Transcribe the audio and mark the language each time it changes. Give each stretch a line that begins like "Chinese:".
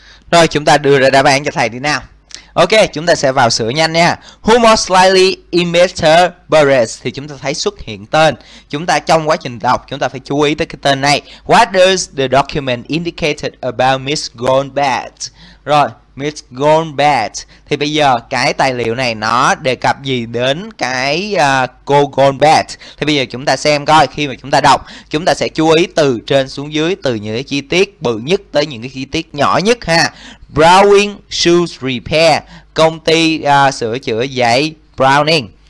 Vietnamese: Rồi chúng ta đưa ra đáp án cho thầy đi nào. Ok, chúng ta sẽ vào sửa nhanh nha.
English: Who most likely emitter Burris?
Vietnamese: Thì chúng ta thấy xuất hiện tên. Chúng ta trong quá trình đọc, chúng ta phải chú ý tới cái tên này.
English: What does the document indicated about Miss Goldbat?
Vietnamese: Rồi, Miss Goldbat. Thì bây giờ cái tài liệu này nó đề cập gì đến cái cô Goldbat? Thì bây giờ chúng ta xem coi, khi mà chúng ta đọc, chúng ta sẽ chú ý từ trên xuống dưới, từ những cái chi tiết bự nhất tới những cái chi tiết nhỏ nhất ha. Browning Shoes Repair, công ty sửa chữa giày Browning.